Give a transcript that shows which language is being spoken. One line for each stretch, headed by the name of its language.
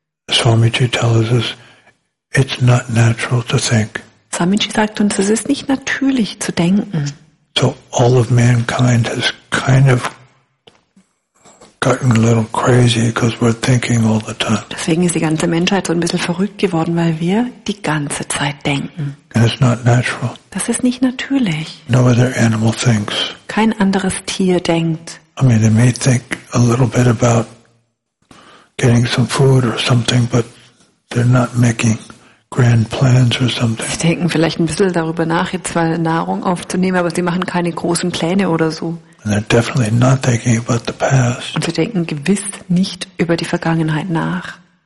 English: Swamiji tells us it's not natural to think.
German: Swamiji sagt uns, es ist nicht natürlich zu denken.
English: So all of mankind has kind of gotten a little crazy because we're thinking all the time.
German: Deswegen ist die ganze Menschheit so ein bisschen verrückt geworden, weil wir die ganze Zeit denken.
English: And it's not natural.
German: Das ist nicht natürlich.
English: No other animal thinks.
German: Kein anderes Tier denkt.
English: I mean, they may think a little bit about getting some food or something, but they're not making grand plans or something.
German: Sie denken vielleicht ein bisschen darüber nach, jetzt mal Nahrung aufzunehmen, aber sie machen keine großen Pläne oder so.
English: And they're definitely not thinking about the past.
German: Und sie denken gewiss nicht über die Vergangenheit nach.